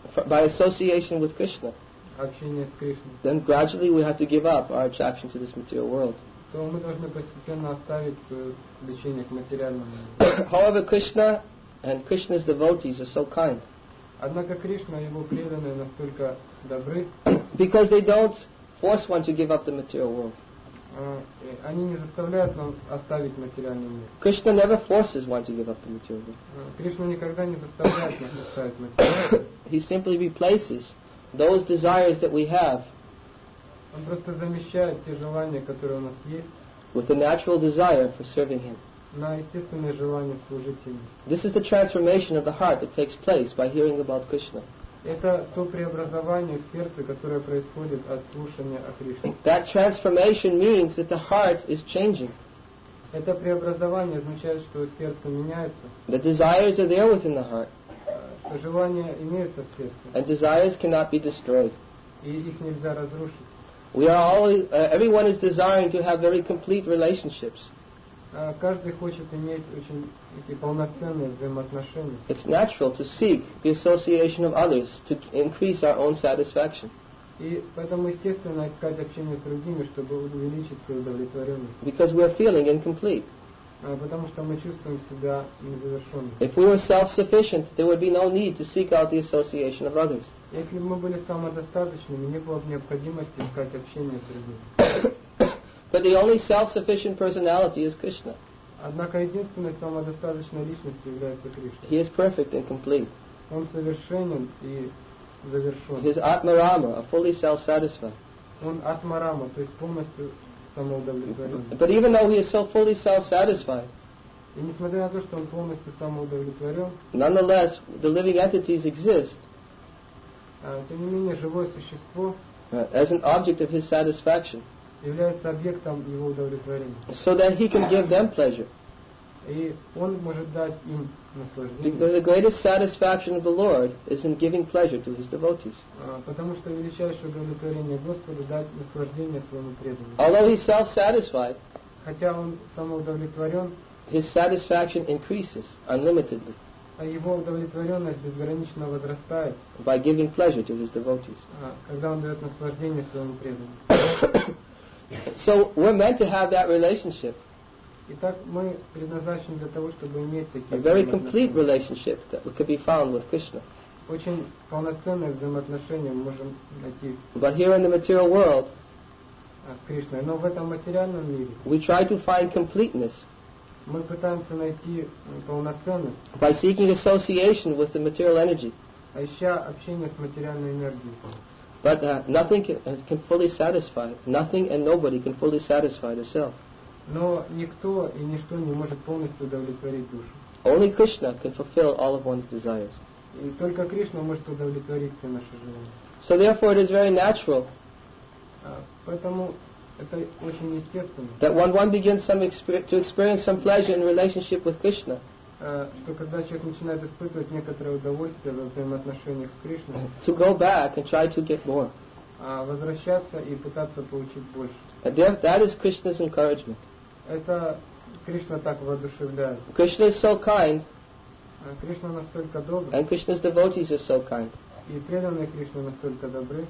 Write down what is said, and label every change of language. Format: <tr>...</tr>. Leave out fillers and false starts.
<en>By association with Krishna.</en> <ru>Общение с Кришной.</ru> <en>Then gradually we have to give up our attraction to this material world.</en> <ru>То мы должны постепенно оставить свое влечение к материальному миру.</ru> <en>However, Krishna and Krishna's devotees are so kind.</en> <ru>Однако Кришна и его преданные настолько добры.</ru> <en>Because they don't force one to give up the material world.</en> <ru>Они не заставляют нас оставить материальный мир.</ru> <en>Krishna never forces one to give up the material world.</en> <ru>Кришна никогда не заставляет нас оставить материальный мир.</ru> <en>He simply replaces those desires that we have.</en> <ru>Он просто замещает те желания, которые у нас есть.</ru> <en>With a natural desire for serving him.</en> <ru>На естественное желание служить ему.</ru> <en>This is the transformation of the heart that takes place by hearing about Krishna.</en> <ru>Это то преобразование в сердце, которое происходит от слушания о Кришне.</ru> <en>That transformation means that the heart is changing.</en> <ru>Это преобразование означает, что сердце меняется.</ru> <en>The desires are there within the heart.</en> <ru>Желания имеются в сердце.</ru> <en>And desires cannot be destroyed.</en> <ru>И их нельзя разрушить.</ru> <en>We are all, everyone is desiring to have very complete relationships.</en> <ru>Каждый хочет иметь очень такие полноценные взаимоотношения.</ru> <en>It's natural to seek the association of others to increase our own satisfaction.</en> <ru>И поэтому естественно искать общение с другими, чтобы увеличить свою удовлетворенность.</ru> <en>Because we are feeling incomplete.</en> <ru>Потому что мы чувствуем себя незавершенными.</ru> <en>If we were self-sufficient, there would be no need to seek out the association of others.</en> <ru>Если бы мы были самодостаточными, не было бы необходимости искать общение с другими.</ru> <en>But the only self-sufficient personality is Krishna.</en> <ru>Однако единственной самодостаточной личностью является Кришна.</ru> <en>He is perfect and complete.</en> <ru>Он совершенен и завершен.</ru> <en>He is Atmarama, a fully self-satisfied.</en> <ru>Он Атмарама, то есть полностью самоудовлетворен.</ru> <en>But even though he is so fully self-satisfied,</en> <ru>и несмотря на то, что он полностью самоудовлетворен,</ru> <en>nonetheless, the living entities exist.</en> <ru>Тем не менее, живое существо</ru> <en>as an object of his satisfaction.</en> <ru>Является объектом его удовлетворения.</ru> <en>So that he can give them pleasure.</en> <ru>И он может дать им наслаждение.</ru> <en>Because the greatest satisfaction of the Lord is in giving pleasure to his devotees.</en> <ru>Потому что величайшее удовлетворение Господу дать наслаждение своему преданному.</ru> <en>Although he's self-satisfied,</en> <ru>хотя он самоудовлетворен,</ru> <en>his satisfaction increases unlimitedly.</en> <ru>А его удовлетворенность безгранично возрастает.</ru> <en>By giving pleasure to his devotees.</en> <ru>Когда он дает наслаждение своему преданному.</ru> <en>So we're meant to have that relationship.</en> <ru>Итак, мы предназначены для того, чтобы иметь такие.</ru> <en>A very complete relationship that could be found with Krishna.</en> <ru>Очень полноценные взаимоотношения мы можем найти.</ru> <en>But here in the material world.</en> <ru>С Кришной. Но в этом материальном мире.</ru> <en>We try to find completeness.</en> <ru>Мы пытаемся найти полноценность.</ru> <en>By seeking association with the material energy.</en> <ru>Ища общение с материальной энергией.</ru> <en>But nothing can fully satisfy. Nothing and nobody can fully satisfy the self.</en> <ru>Но никто и ничто не может полностью удовлетворить душу.</ru> <en>Only Krishna can fulfill all of one's desires.</en> <ru>И только Кришна может удовлетворить все наши желания.</ru> <en>So therefore, it is very natural.</en> <ru>Поэтому это очень естественно.</ru> <en>That when one begins to experience some pleasure in relationship with Krishna.</en> <ru>Что когда человек начинает испытывать некоторое удовольствие во взаимоотношениях с Кришной,</ru> <en>to go back and try to get more.</en> <ru>Возвращаться и пытаться получить больше.</ru> <en>That is Krishna's encouragement.</en> <ru>Это Кришна так воодушевляет.</ru> <en>Krishna is so kind.</en> <ru>Кришна настолько добр.</ru> <en>And Krishna's devotees are so kind.</en> <ru>И преданные Кришне настолько добры.</ru>